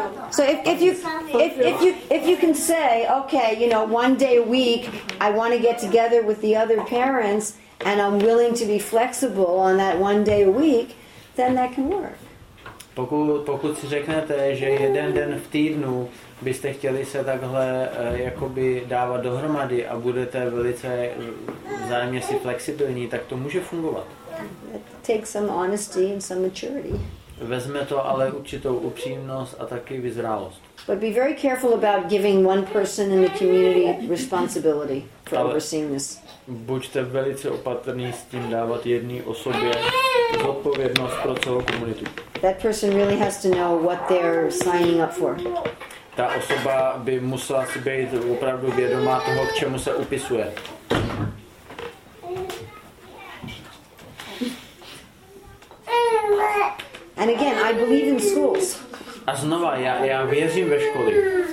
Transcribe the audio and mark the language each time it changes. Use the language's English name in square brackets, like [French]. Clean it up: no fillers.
[English] So if you can say, okay, you know, one day a week I want to get together with the other parents and I'm willing to be flexible on that one day a week, then that can work. [Czech] Pokud si řeknete, že jeden den v týdnu byste chtěli se takhle jakoby dávat dohromady a budete velice vzájemně si flexibilní, tak to může fungovat. [English] It takes some honesty and some maturity. [Czech] Vezme to ale určitou upřímnost a taky vyzrálost. [English] But be very careful about giving one person in the community responsibility for overseeing this. [Czech] Buďte velice opatrní s tím dávat jedné osobě zodpovědnost pro celou komunitu. [English] That person really has to know what they're signing up for. [Czech] Ta osoba by musela si být opravdu vědomá toho, k čemu se upisuje. [English] And again, I believe in schools. [Czech] A znova, já věřím ve školy.